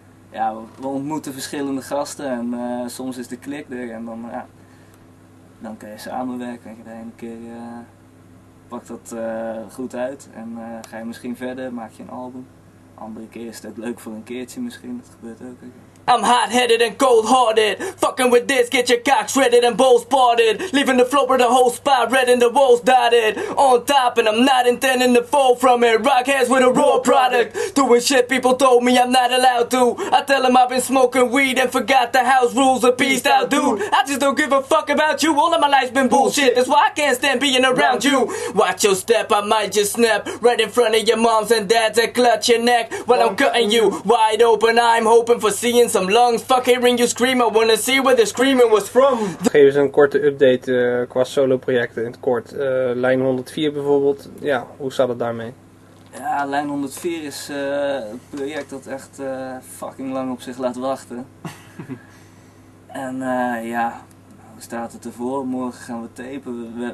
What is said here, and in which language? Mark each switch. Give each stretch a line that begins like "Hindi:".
Dutch: Ja, we ontmoeten verschillende gasten en soms is de klik er. En dan kan je samenwerken en je de ene keer. Pak dat goed uit en ga je misschien verder, maak je een album. andere keer is het leuk voor een keertje misschien, dat gebeurt ook.
English: I'm hot-headed and cold-hearted. Fucking with this, get your cock shredded and balls parted. Leaving the floor with the whole spot red and the walls dotted. On top, and I'm not intending to fall from it. Rock hands with a raw product. Doing shit people told me I'm not allowed to. I tell them I've been smoking weed and forgot the house rules. A peace out, dude. I just don't give a fuck about you. All of my life's been bullshit. That's why I can't stand being around you. Watch your step, I might just snap. Right in front of your moms and dads that clutch your neck. While I'm cutting you wide open, I'm hoping for seeing some lungs, fuck hearing you scream, I wanna see where the screaming was from.
Dutch: Geef eens een korte update qua solo projecten in het kort. Lijn 104 bijvoorbeeld, ja, hoe staat het daarmee? Ja, lijn 104 is een project dat echt fucking lang op zich laat wachten. En ja, hoe staat het ervoor? Morgen gaan we tapen.